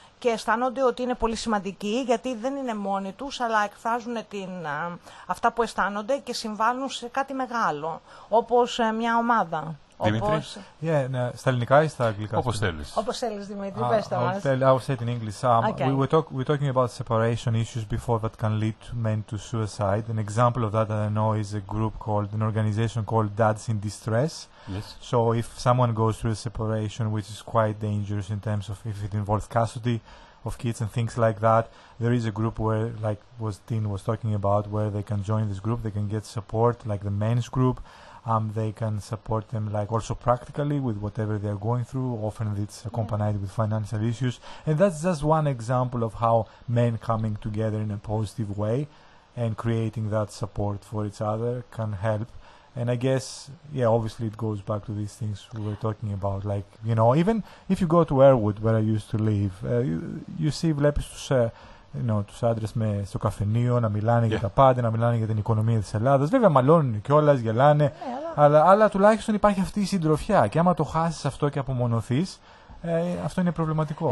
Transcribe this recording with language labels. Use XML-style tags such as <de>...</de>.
<el>Και αισθάνονται ότι είναι πολύ σημαντικοί, γιατί δεν είναι μόνοι τους, αλλά εκφράζουν αυτά που αισθάνονται και συμβάλλουν σε κάτι μεγάλο, όπως μια ομάδα. Δημήτρη, όπως... yeah, ναι, στα ελληνικά ή στα αγγλικά? Όπως θέλεις. Όπως θέλεις, Δημήτρη, πες το μας.</el> <en>I will say it in English. Okay. We were talking about separation issues before that can lead men to suicide. An example of that I know is a group called, an organization called Dads in Distress. Yes. So if someone goes through a separation, which is quite dangerous in terms of if it involves custody of kids and things like that, there is a group where, like was Dean was talking about, where they can join this group, they can get support, like the men's group. They can support them, like also practically with whatever they are going through. Often it's accompanied with financial issues. And that's just one example of how men coming together in a positive way and creating that support for each other can help. And I guess, yeah, obviously it goes back to these things we were talking about. Like, you know, even if you go to Airwood, where I used to live, you see,</en> <el>βλέπεις τους,</el> <en>you know,</en> <el>τους άντρες με στο καφενείο να μιλάνε για τα πάντα, να μιλάνε για την οικονομία της Ελλάδας. Βέβαια, μαλώνουν κιόλας, γελάνε. αλλά τουλάχιστον υπάρχει αυτή η συντροφιά. Και άμα το χάσεις αυτό και απομονωθείς, αυτό είναι προβληματικό.</el>